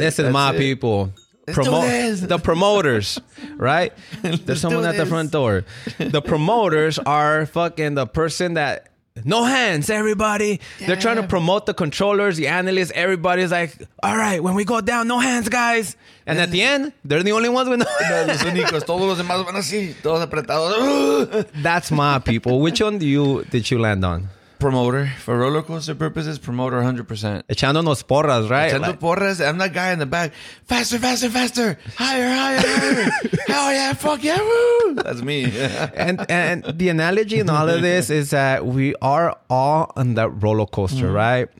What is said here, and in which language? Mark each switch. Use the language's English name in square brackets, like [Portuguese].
[English] This is my people. The promoters, right? There's someone at the front door. The promoters are fucking the person that, no hands, everybody. Yeah. They're trying to promote the controllers, the analysts, everybody's like, all right, when we go down, no hands, guys. And at the end, they're the only ones with no hands. [Spanish] Únicos, todos los demás van así, todos apretados. [English] That's my people. Which one did you land on? Promoter. For roller coaster purposes, promoter 100%. [Spanish] Echando nos porras, right? Echando [English] like, [Spanish] porras. [English] I'm that guy in the back. Faster, faster, faster. Higher, higher, higher. Hell yeah, fuck yeah, woo. That's me. And the analogy in all of this is that we are all on that roller coaster, right?